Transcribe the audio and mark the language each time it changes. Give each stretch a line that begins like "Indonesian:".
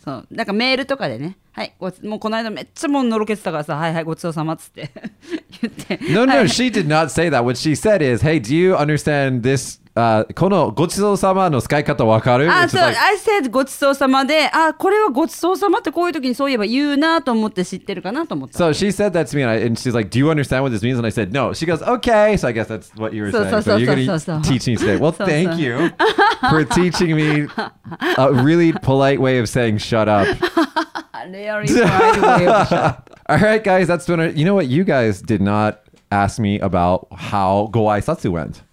Japanese: そう、なんかメールとかでね、はい、もうこの間めっちゃもうのろけてたからさ、はいはい、ごちそうさまっつって言って。
English: No, no, she did not say that. What she said is, hey, do you understand this?
Japanese: このごちそうさまの使い方わかる？あ、そう、
English: I said
Japanese: ごちそうさまで、あ、これはごちそうさまってこういう時にそういえば言うなと思って知ってるかなと思った。
English: So she said that to me, and she's like, do you understand what this means? And I said, no. She goes, okay. So I guess that's what you were saying.
Japanese: そうそうそう。
English: So you're gonna teach me today. Well, thank you for teaching me a really polite way of saying shut up. Very polite way of shut up. All right, guys, that's been you know what? You guys did not ask me about how Gowaisatsu went.